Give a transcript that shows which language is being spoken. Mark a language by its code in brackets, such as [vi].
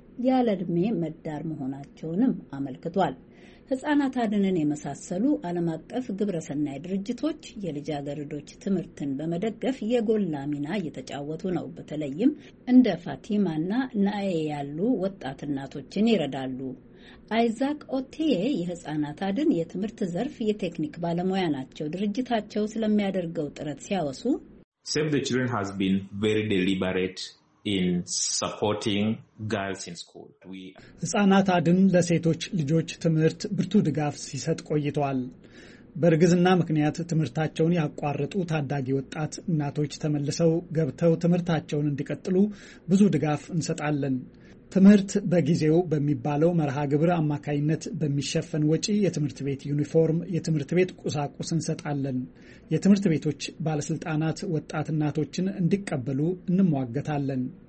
[am] ያለድሜ መዳር መሆናቸውንም አመልክቷል። ህፃናት አድንን የመሳሰሉ ዓለም አቀፍ ግብረሰናይ ድርጅቶች የልጃገረዶች ትምህርትን በመደገፍ የጎላ ሚና እየተጫወቱ ነው። በተለይም እንደ ፋቲማና ናኤ ያሉ ወጣት እናቶችን ይረዳሉ። አይዛክ ኦቴ የህፃናት አድን የትምህርት ዘርፍ የቴክኒክ ባለሙያ ናቸው። ድርጅታቸው ስለሚያደርገው ጥረት ሲያወሱ [en] Save the Children has been very deliberate in supporting girls in school. [am] ህፃናት አድን ለሴቶች ልጆች ትምህርት ብርቱ ድጋፍ ሲሰጥ ቆይቷል። በርግዝና ምክንያት ትምህርታቸውን ያቋረጡ ታዳጊ ወጣት እናቶች ተመልሰው ገብተው ትምህርታቸውን እንዲቀጥሉ ብዙ ድጋፍ እንሰጣለን። ትምህርት በጊዜው በሚባለው መርሃ ግብር አማካይነት በሚሸፈን ወጪ የትምህርት ቤት ዩኒፎርም፣ የትምህርት ቤት ቁሳቁስ እንሰጣለን። የትምህርት ቤቶች ባለስልጣናት ወጣትናቶችን እንዲቀበሉ እንሟገታለን።